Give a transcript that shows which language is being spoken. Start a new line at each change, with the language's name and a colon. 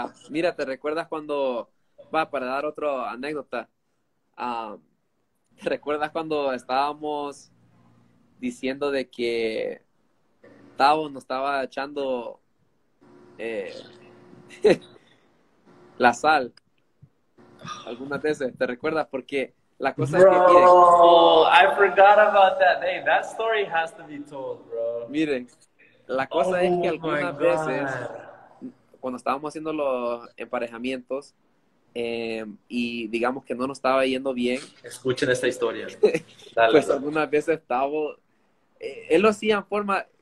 Spanish: Mira, ¿te recuerdas cuando, para dar otra anécdota, ¿te recuerdas cuando estábamos diciendo de que Tavo nos estaba echando la sal algunas veces? ¿Te recuerdas? Porque la cosa
English: bro,
Spanish: es que...
English: Bro, I forgot about that. Hey, that story has to be told, bro.
Spanish: Miren, la cosa es que algunas veces, cuando estábamos haciendo los emparejamientos, y digamos que no nos estaba yendo bien... Escuchen esta historia. Dale, pues bro. Algunas veces Tavo... él lo hacía en forma...